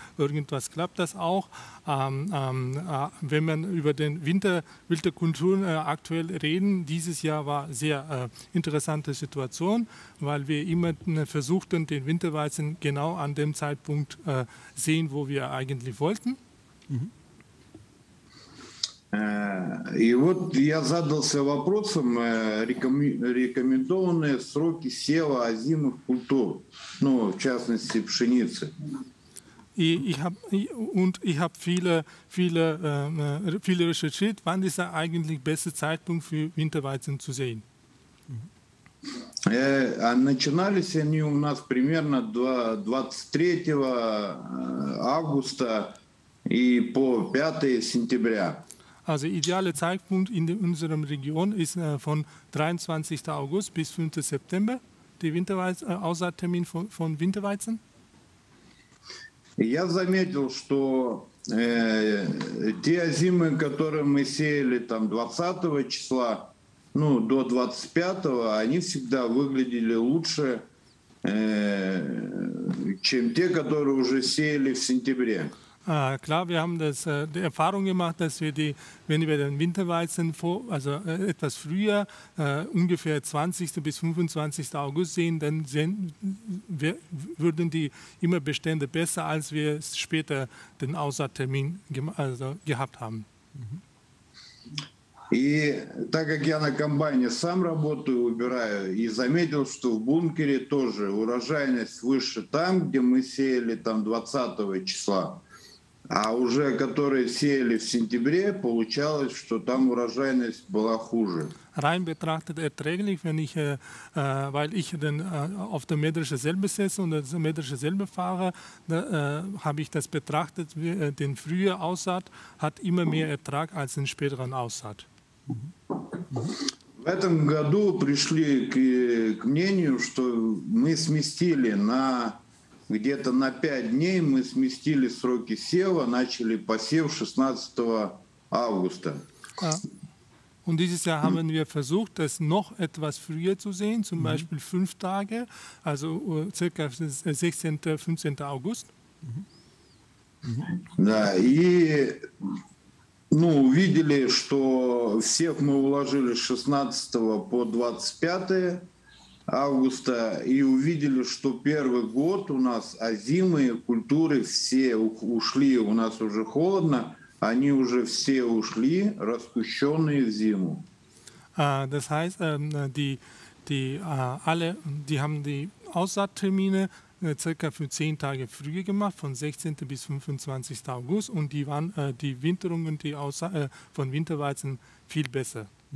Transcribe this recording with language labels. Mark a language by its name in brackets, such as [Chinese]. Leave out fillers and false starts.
[German] Irgendwas klappt das auch. Wenn man über den Winter, Winterkulturen aktuell reden, dieses Jahr war sehr interessante Situation, weil wir immer versuchten, den Winterweizen genau an dem Zeitpunkt sehen, wo wir eigentlich wollten. Mhm. [Russian] И вот я задался вопросом, рекомендованные сроки сева озимых культур, ну, в частности, пшеницы. [German] Ich habe viele recherchiert, wann ist eigentlich der beste Zeitpunkt für Winterweizen zu sehen? [Russian] Начинались они у нас примерно 23 августа и по 5 сентября. [German] Also idealer Zeitpunkt in unserem Region ist von 23. August bis 5. September, der Aussaattermin von Winterweizen. [Russian] Я заметил, что те озимы, которые мы сеяли там 20 числа, ну, до 25-го, они всегда выглядели лучше, чем те, которые уже сеяли в сентябре. [German] Klar, wir haben das, die Erfahrung gemacht, dass wir die, wenn wir den Winterweizen vor, also etwas früher, ungefähr 20. bis 25. August sehen, dann sehen, wir, würden die immer Bestände besser, als wir später den Aussaattermin also gehabt haben. [Russian] И так как я на комбайне сам работаю, убираю, и заметил, что в бункере тоже урожайность выше там, где мы сеяли там 20 числа, а уже которые сеяли в сентябре, получалось, что там урожайность была хуже. [German] Rein betrachtet erträglich, wenn ich, weil ich dann auf der Mähdresche selber sitze und der Mähdresche selber fahre, habe ich das betrachtet, den frühen Aussaat hat immer mehr Ertrag als den späteren Aussaat. [Russian] В этом году пришли к мнению, что мы сместили на где-то на 5 дней мы сместили сроки сева, начали посев 16 августа. [German] Und dieses Jahr haben wir versucht, das noch etwas früher zu sehen, zum Beispiel 5 Tage, also circa 16. 15. August. [Russian] Да, и ну, увидели, что сев мы уложили 16 по 25 августа, и увидели, что первый год у нас озимые культуры все ушли, у нас уже холодно, они уже все ушли, распущенные в зиму. [German] Das heißt, die haben die Aussaattermine circa für 10 Tage früher gemacht, von 16. bis 25. August, und die waren die Winterung und die Aussaat von Winterweizen viel besser.